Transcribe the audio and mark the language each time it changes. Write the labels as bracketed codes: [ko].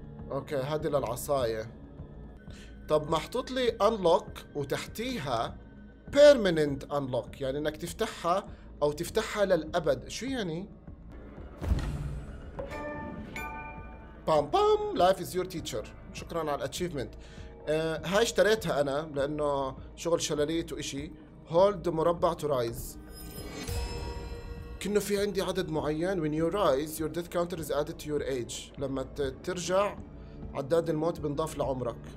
[ar] أوكي هادي للعصاية. طب محطوط لي unlock وتحتيها permanent unlock، يعني انك تفتحها او تفتحها للابد. شو يعني؟ [en] بام بام. life is your teacher. [ar] شكرا على الاتشيفمنت. هاي اشتريتها انا لانه شغل شلاليت واشي. [en] hold the [ar] مربع [en] to rise. [ar] كنه في عندي عدد معين. [en] when you rise your death counter is added to your age. [ar] لما ترجع عداد الموت بنضاف لعمرك.